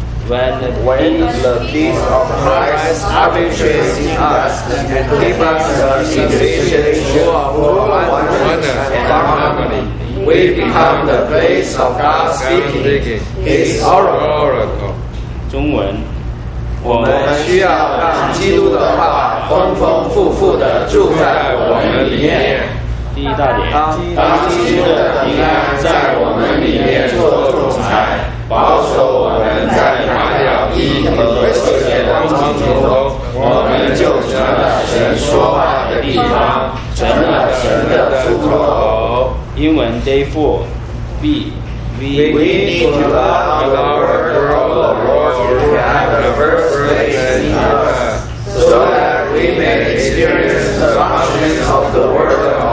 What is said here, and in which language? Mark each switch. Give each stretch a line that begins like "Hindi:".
English: When the peace of Christ arbitrates in us and gives us a situation full of oneness and harmony, we become the place of God speaking His oracle.
Chinese: 中文我们需要让基督的话丰丰富富地住在我们里面。第一大点，当基督的平安在我们里面做仲裁，保守我们在马表义和和谐的光景中，我们就成了神说话的地方，成了神的出口。
English: 英文 Day 4 B We need to allow the word of the Lord to have the first place in us, so that we may experience the functions of the word of God.